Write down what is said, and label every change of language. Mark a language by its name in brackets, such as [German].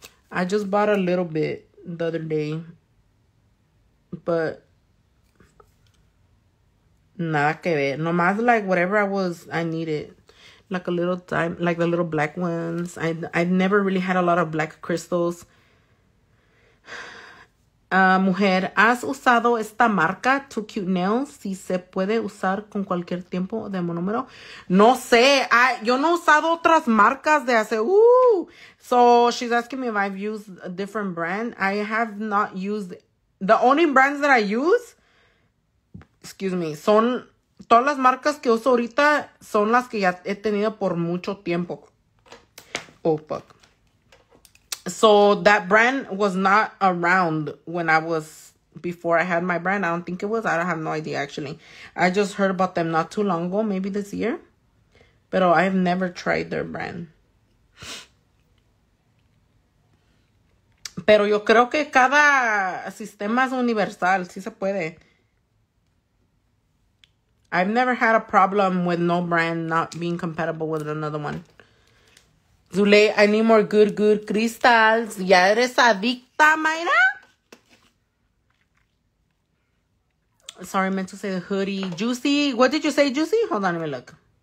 [English] I just bought a little bit the other day. But [Spanish] nada que ver. Nomás [English] like whatever I needed. Like a little time, like the little black ones. I've never really had a lot of black crystals. [Spanish] Mujer, ¿has usado esta marca, Too Cute Nails? Si se puede usar con cualquier tiempo de monómero. No sé. Yo no he usado otras marcas de hace. [English] So she's asking me if I've used a different brand. I have not used. The only brands that I use. Excuse me. [Spanish] Son todas las marcas que uso ahorita son las que ya he tenido por mucho tiempo. [English] Oh, fuck. So that brand was not around when I was, before I had my brand. I don't think it was. I have no idea, actually. I just heard about them not too long ago, maybe this year. But I've never tried their brand. [Spanish] Pero yo creo que cada sistema es universal. Sí se puede. [English] I've never had a problem with no brand not being compatible with another one. Zule, I need more good crystals. [Spanish] Ya eres adicta, [English] Mayra. Sorry, meant to say the hoodie. Juicy. What did you say, Juicy? Hold on, let me look.